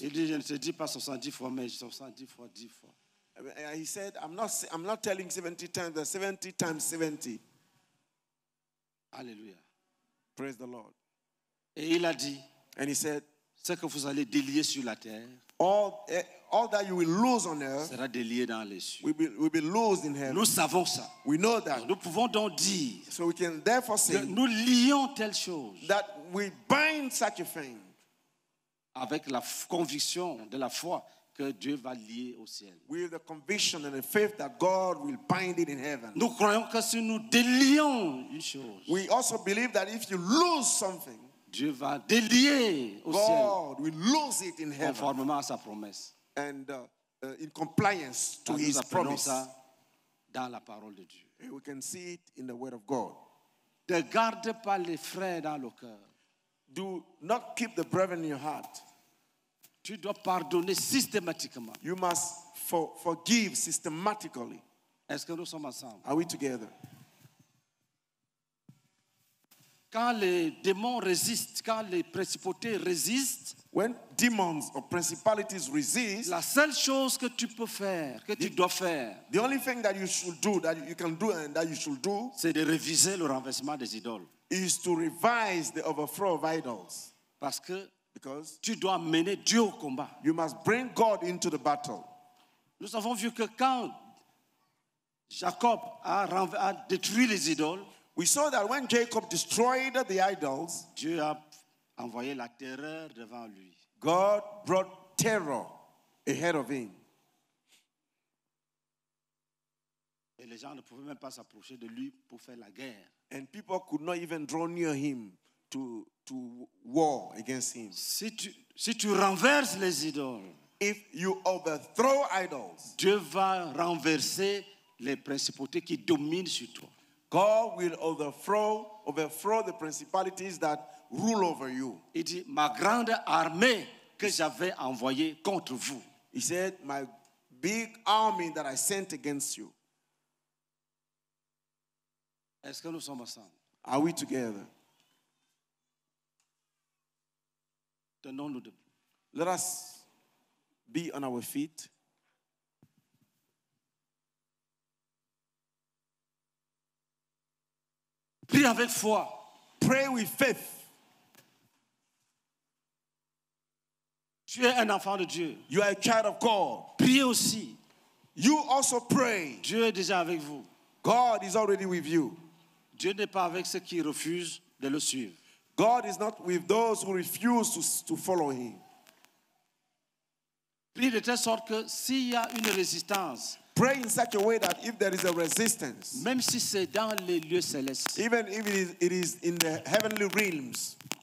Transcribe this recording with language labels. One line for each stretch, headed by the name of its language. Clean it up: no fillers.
French: Il dit, je ne te dis pas 70 fois, mais 70 fois, 10 fois.
English: He said, I'm not telling 70 times, but 70 times 70. Alleluia. Praise the Lord.
French: Et il a dit,
English: and he said,
French: ce que vous allez délier sur la terre,
English: all that you will lose on earth
French: sera délié dans les cieux.
English: We'll be lost in heaven.
French: Nous savons ça.
English: We know that.
French: Nous pouvons donc dire,
English: so we can therefore say,
French: nous lions telle chose,
English: that we bind such a thing,
French: avec la conviction de la foi que Dieu va lier au ciel.
English: With the conviction and the faith that God will bind it in heaven.
French: Nous croyons que si nous délions une chose,
English: we also believe that if you lose something,
French: Dieu va délier au
English: God
French: ciel,
English: will lose it in heaven,
French: conformément à sa promesse,
English: and in compliance to
French: nous
English: His promise.
French: Ça dans la parole de Dieu.
English: And we can see it in the Word of God.
French: Ne garde pas les frères dans le cœur.
English: Do not keep the brethren in your heart.
French: Tu dois pardonner systématiquement.
English: You must forgive systematically.
French: Est-ce que nous sommes ensemble?
English: Are we together?
French: Quand les démons résistent, quand les principautés résistent,
English: when demons or principalities resist,
French: la seule chose que tu peux faire, que tu dois faire,
English: the only thing that you should do, that you can do and that you should do,
French: c'est de réviser le renversement des idoles.
English: Is to revise the overthrow of idols.
French: Parce que
English: because
French: tu dois mener Dieu au combat.
English: You must bring God into the battle.
French: Nous avons vu que quand Jacob a détruit les idoles,
English: we saw that when Jacob destroyed the idols,
French: Dieu a envoyé la terreur devant lui.
English: God brought terror ahead of him.
French: Et les gens ne pouvaient même pas s'approcher de lui pour faire la guerre.
English: And people could not even draw near him to war against him.
French: Si tu renverses les idoles,
English: if you overthrow idols,
French: Dieu va renverser les principautés qui dominent sur toi.
English: God will overthrow the principalities that rule over you.
French: Il dit, ma grande armée que j'avais envoyée contre vous.
English: He said, my big army that I sent against you.
French: Est-ce que nous sommes ensemble?
English: Are we together?
French: Tenons-nous debout.
English: Let us be on our feet.
French: Prie avec foi.
English: Pray with faith.
French: Tu es un enfant de Dieu.
English: You are a child of God.
French: Prie aussi.
English: You also pray.
French: Dieu est déjà avec vous.
English: God is already with you.
French: Dieu n'est pas avec ceux qui refusent de le suivre.
English: God is not with those who refuse to follow him.
French: Prie de telle sorte que s'il y a une résistance,
English: pray in such a way that if there is a resistance,
French: même si c'est dans les lieux célestes,
English: even if it is in the heavenly realms,